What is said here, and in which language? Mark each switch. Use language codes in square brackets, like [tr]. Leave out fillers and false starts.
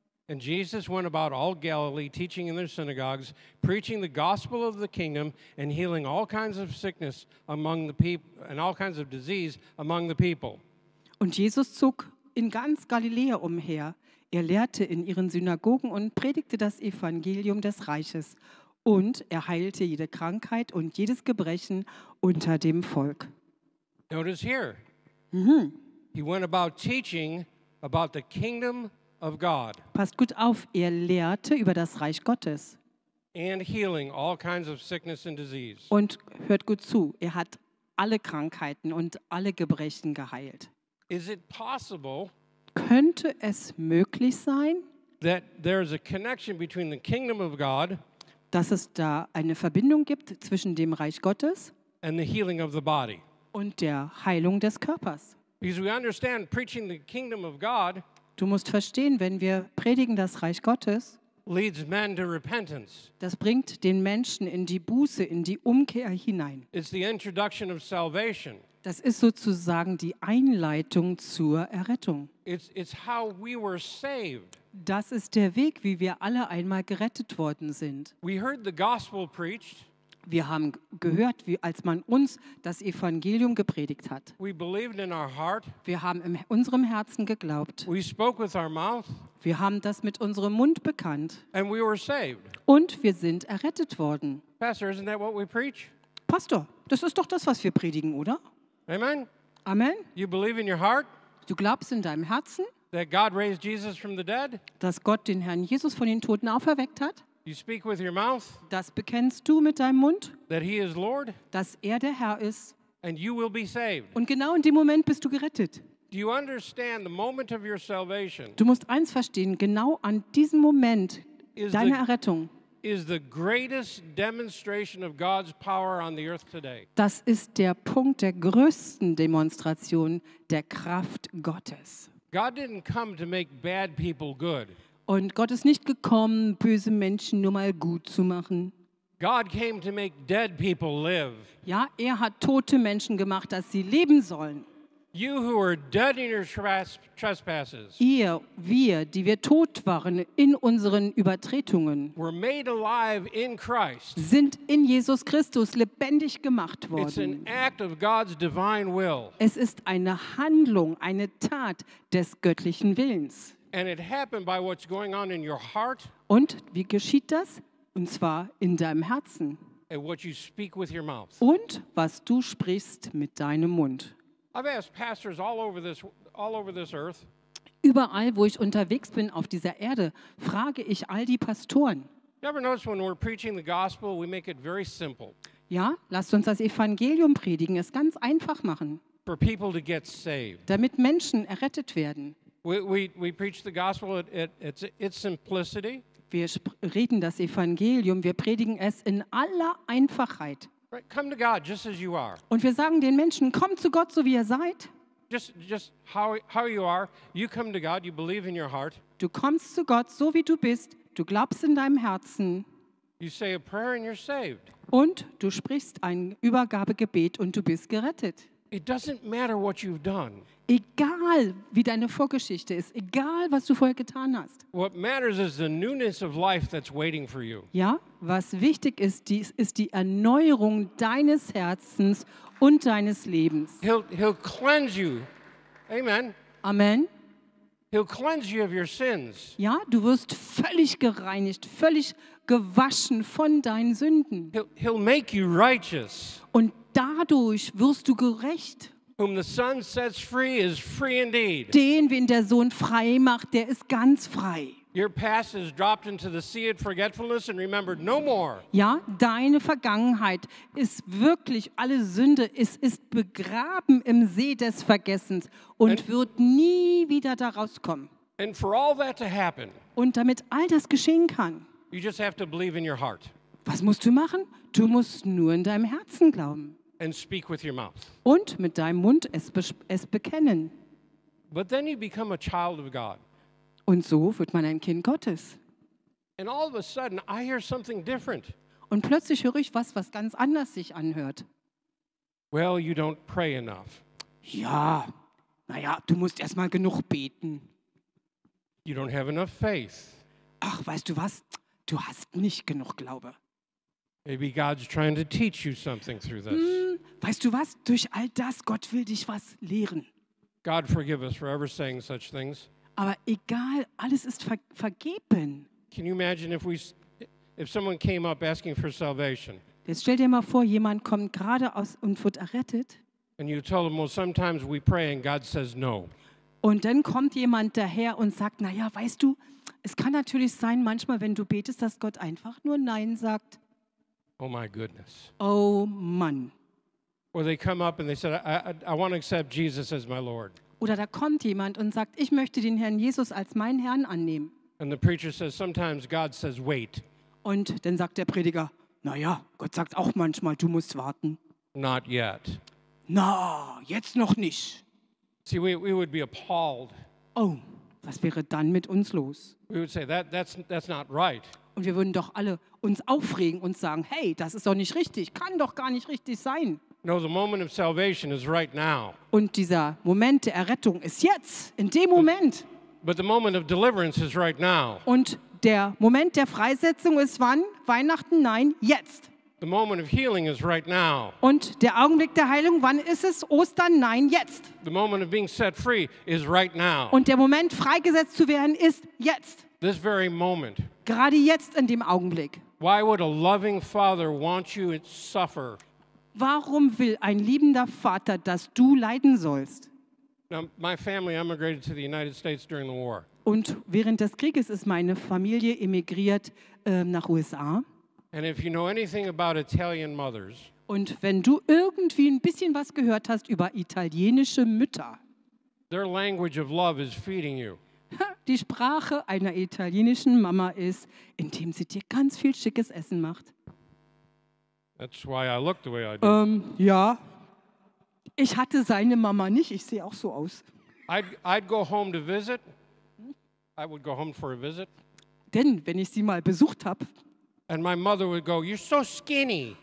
[en] And Jesus went about all Galilee, teaching in their synagogues, preaching the gospel of the kingdom, and healing all kinds of sickness among the people, and all kinds of disease among the people. [de] Und Jesus zog in ganz Galiläa umher. Er lehrte in ihren Synagogen und predigte das Evangelium des Reiches. Und er heilte jede Krankheit und jedes Gebrechen unter dem Volk. [en] Notice here. Mm-hmm. He went about teaching about the kingdom of God. [de] Passt gut auf, er lehrte über das Reich Gottes. [en] And healing all kinds of sickness and disease. [de] Und hört gut zu, er hat alle Krankheiten und alle Gebrechen geheilt. [en] Is it possible? [de] Könnte es möglich sein, [en] that there is a connection between the kingdom of God, [de] dass es da eine Verbindung gibt zwischen dem Reich Gottes [en] and the healing of the body. [de] Und der Heilung des Körpers? [en] Because we understand preaching the kingdom of God, [de] du musst verstehen, wenn wir predigen das Reich Gottes, [en] leads men to repentance. [de] Das bringt den Menschen in die Buße, in die Umkehr hinein. [en] It's the introduction of salvation. [de] Das ist sozusagen die Einleitung zur Errettung. [en] It's how we were saved. [de] Das ist der Weg, wie wir alle einmal gerettet worden sind. [en] We heard the gospel preached. [de] Wir haben gehört, wie als man uns das Evangelium gepredigt hat. [en] We believed in our heart. [de] Wir haben in unserem Herzen geglaubt. [en] We spoke with our mouth. [de] Wir haben das mit unserem Mund bekannt. [en] And we were saved. [de] Und wir sind errettet worden. [en] Pastor, isn't that what we preach? [de] Pastor, das ist doch das, was wir predigen, oder? [en] Amen. [de] Amen. [en] You believe in your heart? [de] Du glaubst in deinem Herzen? [en] That God raised Jesus from the dead? [de] Dass Gott den Herrn Jesus von den Toten auferweckt hat? [en] You speak with your mouth? [de] Das bekennst du mit deinem Mund? [en] That he is Lord? [de] Dass er der Herr ist? [en] And you will be saved. [de] Und genau in dem Moment bist du gerettet. [en] Do you understand the moment of your salvation? [de] Du musst eins verstehen, genau an diesem Moment deiner Errettung. [en] Is the greatest demonstration of God's power on the earth today. [de] Das ist der Punkt der größten Demonstration der Kraft Gottes. [en] God didn't come to make bad people good. [de] Und Gott ist nicht gekommen, böse Menschen nur mal gut zu machen. [en] God came to make dead people live. [de] Ja, er hat tote Menschen gemacht, dass sie leben sollen. [en] You who are dead in your trespasses. [de] Wir, die wir tot waren in unseren Übertretungen. [en] Were made alive in Christ. [de] Sind in Jesus Christus lebendig gemacht worden. [en] It's an act of God's divine will. [de] Es ist eine Handlung, eine Tat des göttlichen Willens. [en] And it happened by what's going on in your heart. [de] Und wie geschieht das? Und zwar in deinem Herzen. [en] And what you speak with your mouth. [de] Und was du sprichst mit deinem Mund. [en] I've asked pastors all over this earth. [de] Überall, wo ich unterwegs bin auf dieser Erde, frage ich all die Pastoren. [en] You ever notice when we're preaching the gospel, we make it very simple. [de] Ja, lasst uns das Evangelium predigen, es ganz einfach machen. [en] For people to get saved. [de] Damit Menschen errettet werden. [en] We preach the gospel at its simplicity. [de] Wir reden das Evangelium, wir predigen es in aller Einfachheit. [en] Right, come to God just as you are. [de] Und wir sagen den Menschen, kommt zu Gott, so wie ihr seid. [en] Just how you are, you come to God, you believe in your heart. [de] Du kommst zu Gott, so wie du bist, du glaubst in deinem Herzen. [en] You say a prayer and you're saved. [de] Und du sprichst ein Übergabegebet und du bist gerettet. [en] It doesn't matter what you've done. [de] Egal, wie deine Vorgeschichte ist, egal, was du vorher getan hast. [en] What matters is the newness of life that's waiting for you. [de] Ja, was wichtig ist, ist die Erneuerung deines Herzens und deines Lebens. [en] He'll cleanse you. Amen. [de] Amen. [en] He'll cleanse you of your sins. [de] Ja, du wirst völlig gereinigt, völlig gewaschen von deinen Sünden. [en] He'll make you righteous. [de] Und dadurch wirst du gerecht. [en] Whom the Son sets free is free indeed. [de] Den, wen der Sohn frei macht, der ist ganz frei. [en] Your past is dropped into the sea of forgetfulness and remembered no more. [de] Ja, deine Vergangenheit ist wirklich alle Sünde. Es ist begraben im See des Vergessens und wird nie wieder da rauskommen. [en] And for all that to happen, [de] und damit all das geschehen kann, [en] you just have to believe in your heart. [de] Was musst du machen? Du musst nur in deinem Herzen glauben. [en] And speak with your mouth. [de] Und mit deinem Mund es bekennen. [en] But then you become a child of God. [de] Und so wird man ein Kind Gottes. [en] And all of a sudden, I hear something different. [de] Und plötzlich höre ich was, was ganz anders sich anhört. [en] Well, you don't pray enough. [de] Ja, naja, du musst erstmal genug beten. [en] You don't have enough faith. [de] Ach, weißt du was? Du hast nicht genug Glaube. [en] Maybe God's trying to teach you something through this. [de] Weißt du was? Durch all das, Gott will dich was lehren. [en] God forgive us for ever saying such things. [de] Aber egal, alles ist vergeben. [en] Can you imagine if someone came up asking for salvation? [de] Jetzt stell dir mal vor, jemand kommt gerade aus und wird errettet. [en] And you tell them, well, sometimes we pray and God says no. [de] Und dann kommt jemand daher und sagt, naja, weißt du, es kann natürlich sein, manchmal, wenn du betest, dass Gott einfach nur Nein sagt. [en] Oh my goodness. [de] Oh Mann. [en] Or they come up and they said, I want to accept Jesus as my Lord. [de] Oder da kommt jemand und sagt, ich möchte den Herrn Jesus als meinen Herrn annehmen. [en] And the preacher says, sometimes God says, wait. [de] Und dann sagt der Prediger, naja, Gott sagt auch manchmal, du musst warten. [en] Not yet. [de] Na, jetzt noch nicht. [en] See, we would be appalled. [de] Oh, was wäre dann mit uns los? [en] We would say, that's not right. [de] Und wir würden doch alle uns aufregen und sagen, hey, das ist doch nicht richtig, kann doch gar nicht richtig sein. [en] No, the moment of salvation is right now. [de] Und dieser Moment der Errettung ist jetzt, in dem Moment. [en] But the moment of deliverance is right now. [de] Und der Moment der Freisetzung ist wann? Weihnachten? Nein, jetzt. [en] The moment of healing is right now. [de] Und der Augenblick der Heilung, wann ist es? Ostern? Nein, jetzt. [en] The moment of being set free is right now. [de] Und der Moment, freigesetzt zu werden, ist jetzt. [en] This very moment. [de] Gerade jetzt in dem Augenblick. [en] Why would a loving father want you to suffer? [de] Warum will ein liebender Vater, dass du leiden sollst? [en] Now, my family emigrated to the United States during the war. [de] Und während des Krieges ist meine Familie emigriert nach USA. [en] And if you know anything about Italian mothers, [de] und wenn du irgendwie ein bisschen was gehört hast über italienische Mütter, [en] their language of love is feeding you. [de] Die Sprache einer italienischen Mama ist, indem sie dir ganz viel schickes Essen macht. [en] That's why I look the way I do. [de] Ja, ich hatte seine Mama nicht. Ich sehe auch so aus. [en] I'd go home to visit. I would go home for a visit. [de] Denn wenn ich sie mal besucht habe. [en] And my mother would go, you're so skinny.